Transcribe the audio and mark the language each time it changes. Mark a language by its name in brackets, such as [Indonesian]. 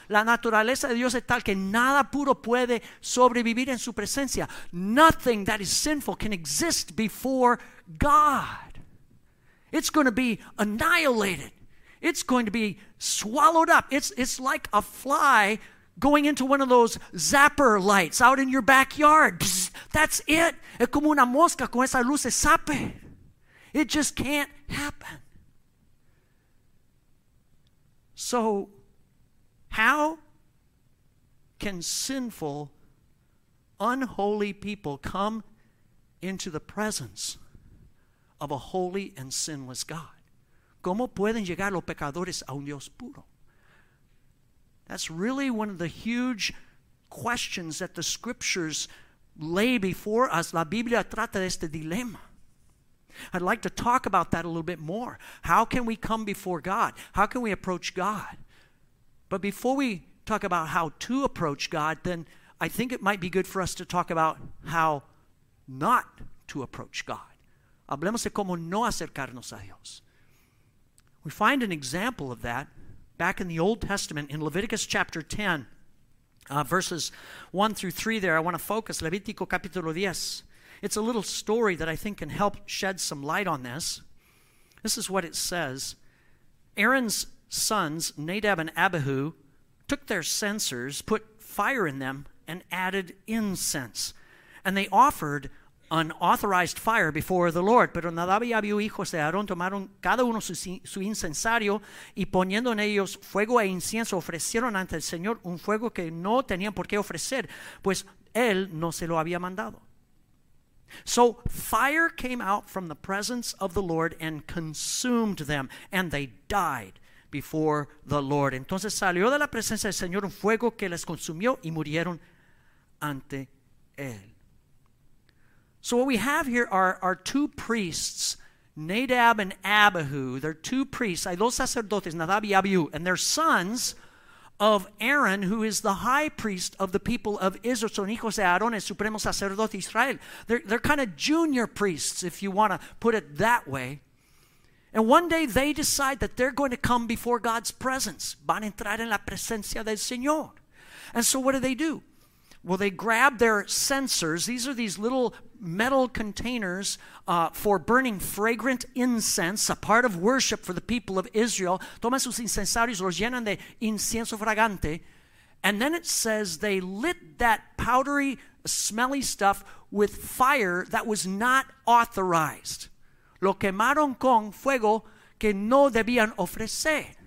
[Spanish] La naturaleza de Dios es tal que nada puro puede sobrevivir en su presencia. [English] Nothing that is sinful can exist before God. It's going to be annihilated. It's going to be swallowed up. It's like a fly going into one of those zapper lights out in your backyard. Psst, that's it. [Spanish] Es como una mosca con esas luces zape. [English] It just can't happen. So, how can sinful, unholy people come into the presence of a holy and sinless God? [Spanish] ¿Cómo pueden llegar los pecadores a un Dios puro? [English] That's really one of the huge questions that the scriptures lay before us. [Spanish] La Biblia trata de este dilema. [English] I'd like to talk about that a little bit more. How can we come before God? How can we approach God? But before we talk about how to approach God, then I think it might be good for us to talk about how not to approach God. [Spanish] Hablemos de cómo no acercarnos a Dios. [English] We find an example of that back in the Old Testament, in Leviticus chapter 10, verses 1 through 3 there. I want to focus, Levítico capítulo 10. It's a little story that I think can help shed some light on this. This is what it says. Aaron's sons, Nadab and Abihu, took their censers, put fire in them, and added incense. And they offered unauthorized fire before the Lord. [Spanish] Pero Nadab y Abihu, hijos de Aarón, tomaron cada uno su incensario y poniendo en ellos fuego e incienso, ofrecieron ante el Señor un fuego que no tenían por qué ofrecer, pues Él no se lo había mandado. [English] So fire came out from the presence of the Lord and consumed them, and they died before the Lord. [Spanish] Entonces salió de la presencia del Señor un fuego que les consumió y murieron ante Él. [English] So what we have here are two priests, Nadab and Abihu. They're two priests, hay dos sacerdotes, Nadab y Abihu, and they're sons of Aaron, who is the high priest of the people of Israel. [Spanish] Son hijos de Aarón, el supremo sacerdote de Israel. [English] They're kind of junior priests, if you want to put it that way. And one day they decide that they're going to come before God's presence. [Spanish] Van a entrar en la presencia del Señor. [English] And so what do? Well, they grab their censers. These are these little metal containers for burning fragrant incense, a part of worship for the people of Israel. [Spanish] Toman sus incensarios, los llenan de incienso fragante. [English] And then it says they lit that powdery, smelly stuff with fire that was not authorized. [Spanish] Lo quemaron con fuego que no debían ofrecer.